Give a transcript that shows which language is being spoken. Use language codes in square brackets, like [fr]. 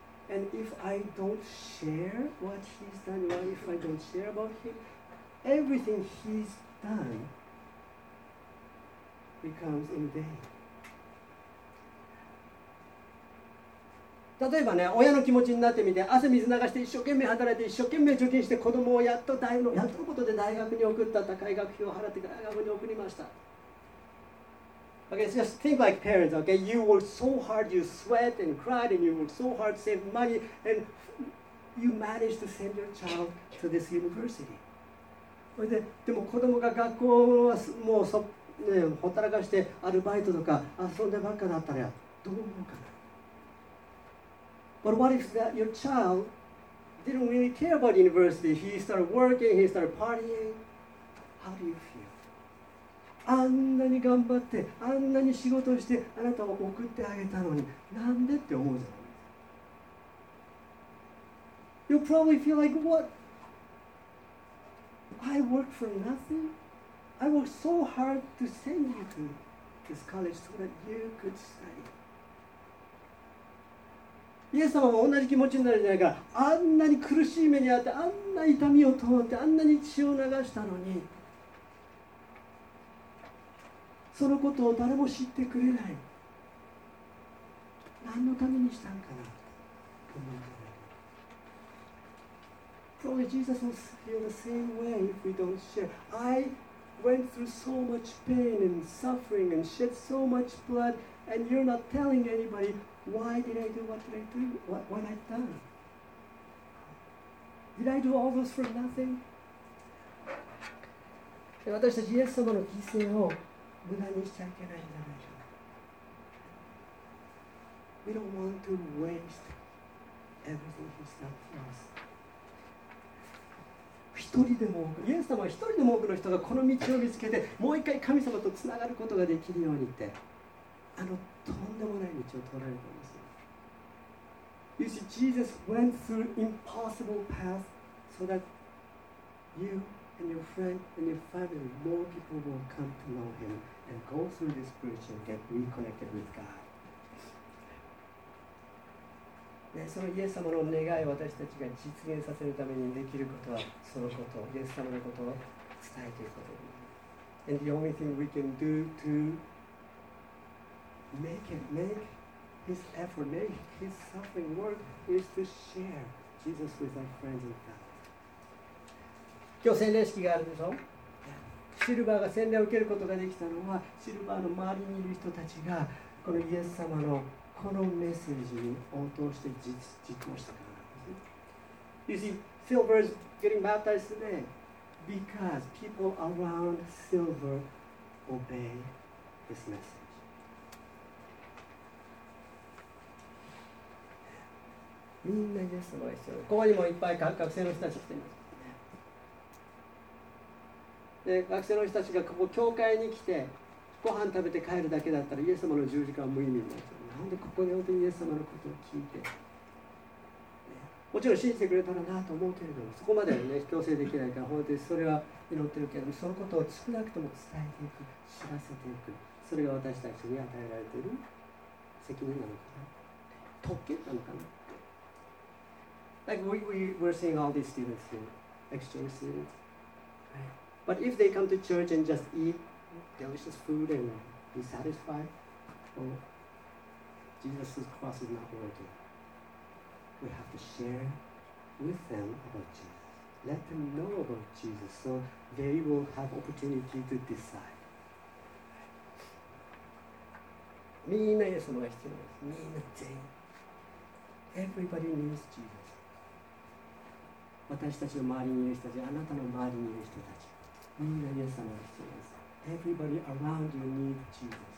[en] And if I don't share what he's done, what if I don't share about him, everything he's done becomes in vain. [ja] 例えばね、親の気持ちになってみて、汗水流して一生懸命働いて一生懸命受験して、子供をやっと大のやっとのことで大学に送った、高い学費を払って大学に送りました。 [en] Okay, so just think like parents. Okay, you worked so hard, you sweat and cried, and you worked so hard to save money, and you managed to send your child to this university. [ja] でも子供が学校はもうそ、ね、ほったらかしてアルバイトとか遊んでばっかだったらどう思うかな。 [en] But what if that your child didn't really care about university? He started working, he started partying. How do you feel? [ja] あんなに頑張って、あんなに仕事をして、あなたを送ってあげたのに、なんでって思うじゃないですか。 [en] You'll probably feel like, what? I worked for nothing. I worked so hard to send you to this college so that you could study. [ja] イエス様も同じ気持ちになるんじゃないか。あんなに苦しい目にあって、あんな痛みを通って、あんなに血を流したのに、そのことを誰も知ってくれない。何のためにしたんかな。 [en] Probably Jesus will feel the same way if we don't share. I went through so much pain and suffering and shed so much blood, and you're not telling anybody. Why did I do what did I do? What I've done? Did I do all this for nothing? [ja] 私たちイエス様の犠牲を無駄にしちゃいけないんじゃないか。 [en] We don't want to waste everything he's done for us. [ja] 一人でも多く、イエス様は一人でも多くの人がこの道を見つけて、もう一回神様とつながることができるようにって。あのとんでもない道を通られたんですよ。 [en] You see, Jesus went through impossible paths so that you and your friend and your family, more people will come to know him and go through this bridge and get reconnected with God.、 [ja] ね、そのイエス様の願いを私たちが実現させるためにできることは、そのことイエス様のことを伝えていくことです。 [en] And the only thing we can do toMake his effort, make his suffering work is to share Jesus with our friends and family. [ja] 今日洗礼式があるでしょ。シルバーが洗礼を受けることができたのは、シルバーの周りにいる人たちがこのイエス様のこのメッセージに応答して実行したからなんです。 [en] You see, Silver is getting baptized today because people around Silver obey this message. [ja] みんなイエス様が必要です。ここにもいっぱい学生の人たち来ています。で、学生の人たちがここ教会に来てご飯食べて帰るだけだったらイエス様の十字架は無意味になっちゃう。なんでここで本当にイエス様のことを聞いて、ね、もちろん信じてくれたらなと思うけれども、そこまでは、ね、強制できないから本当にそれは祈ってるけれども、そのことを少なくとも伝えていく、知らせていく、それが私たちに与えられている責任なのかな、特権なのかな。 [en] Like we're seeing all these students here, exchange students. But if they come to church and just eat delicious food and be satisfied, well, Jesus' cross is not working. We have to share with them about Jesus. Let them know about Jesus so they will have opportunity to decide. [ja] みんなイエス様が必要です。みんな全員。 [en] Everybody needs Jesus. [ja] 私たちの周りにいる人たち、あなたの周りにいる人たち、みんなイエス様が必要です。 [en] Everybody around you need Jesus.